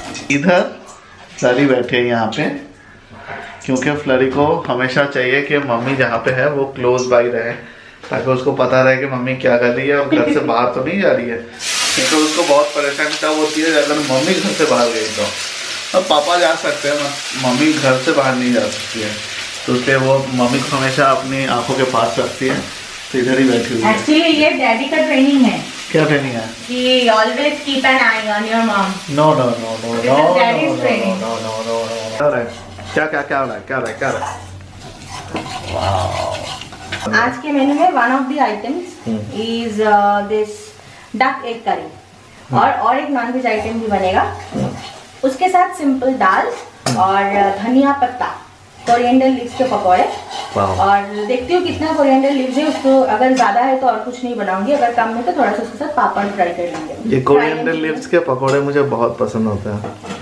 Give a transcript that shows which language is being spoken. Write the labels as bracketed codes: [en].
[hi] इधर फ्लरी बैठे हैं यहाँ पे, क्योंकि फ्लरी को हमेशा चाहिए कि मम्मी जहाँ पे है वो क्लोज बाई रहे, ताकि उसको पता रहे कि मम्मी क्या कर रही है और घर से बाहर तो नहीं जा रही है, क्योंकि उसको बहुत परेशान तब होती है अगर मम्मी घर से बाहर गई तो। अब पापा जा सकते हैं, मम्मी घर से बाहर नहीं जा सकती है, तो इसलिए वो मम्मी को हमेशा अपनी आँखों के पास रखती है, तो इधर ही बैठी हुई है। एक्चुअली ये डैडी का ट्रेनिंग है। क्या ट्रेनिंग है? [en] He always keep an eye on your mom. No, no, no, no, no, no, no, no, no, no, no, no. क्या रहे? क्या क्या क्या रहे? क्या रहे? क्या रहे? Wow. [hi] आज के मेनू में [en] one of the items is this duck egg curry. [hi] और एक non-veg item भी बनेगा. उसके साथ simple दाल और धनिया पत्ता. कोरिएंडर लीव्स के पकौड़े और देखती हूँ कितना कोरिएंडर लीव्स है उसको, अगर ज्यादा है तो और कुछ नहीं बनाऊंगी, अगर कम है तो थोड़ा सा उसके साथ पापड़ फ्राई कर लेंगे। ये कोरिएंडर लीव्स के पकौड़े मुझे बहुत पसंद होते हैं।